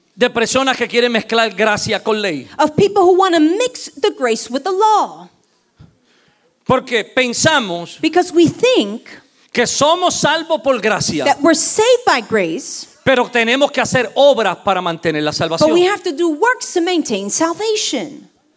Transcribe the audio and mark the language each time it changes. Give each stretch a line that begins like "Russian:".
Spanish: De personas que quieren mezclar gracia con ley.
English: Of people who want to mix the grace with the law.
Spanish: Porque pensamos
English: because we think
Spanish: que somos salvos por gracia.
English: That we're saved by grace.
Spanish: Pero tenemos que hacer obras para mantener la salvación.
English: But we have to do works to maintain salvation.